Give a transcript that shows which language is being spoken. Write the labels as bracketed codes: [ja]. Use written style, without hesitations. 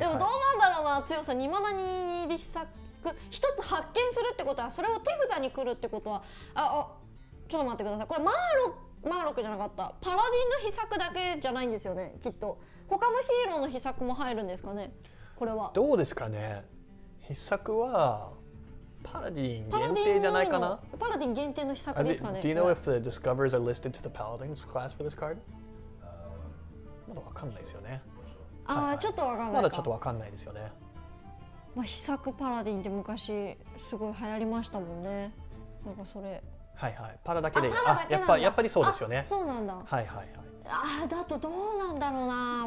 [ja] でもどうなんだろうな、強さ2マナ22で秘策一つ発見するってことは、それを手札に来るってことは、ちょっと待ってください、これマーロックじゃなかった、パラディンの秘策だけじゃないんですよね、きっと他のヒーローの秘策も入るんですかね。これはどうですかね、秘策はPaladin 限定じゃないかな。パラディン限定の秘策ですかね。 [en] Do you know if the discoverers are listed to the paladins class for this card? [ja] まだわかんないですよね。あ、はいはい、ちょっとわかんないか。まだちょっとわかんないですよね。まあ、秘策パラディンって昔すごい流行りましたもんね。なんかそれ。はいはい。パラだけで。あ、やっぱりそうですよね。そうなんだ。はいはいはい。あ、だとどうなんだろうな。